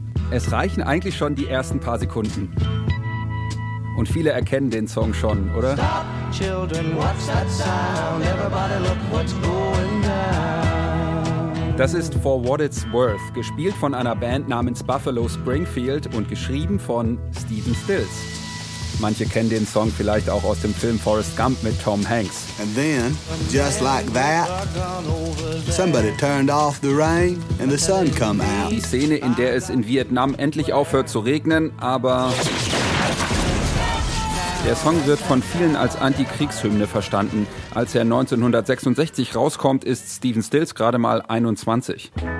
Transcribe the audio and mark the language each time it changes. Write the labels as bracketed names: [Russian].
[German] Es reichen eigentlich schon die ersten paar Sekunden. Und viele erkennen den Song schon, oder? [English] Stop, children, what's that sound? Everybody look what's going down. [German] Das ist For What It's Worth, gespielt von einer Band namens Buffalo Springfield und geschrieben von Stephen Stills. Manche kennen den Song vielleicht auch aus dem Film Forrest Gump mit Tom Hanks. [English] And then, just like that, somebody turned off the rain and the sun come out. [German] Die Szene, in der es in Vietnam endlich aufhört zu regnen, aber... Der Song wird von vielen als Antikriegshymne verstanden. Als er 1966 rauskommt, ist Stephen Stills gerade mal 21.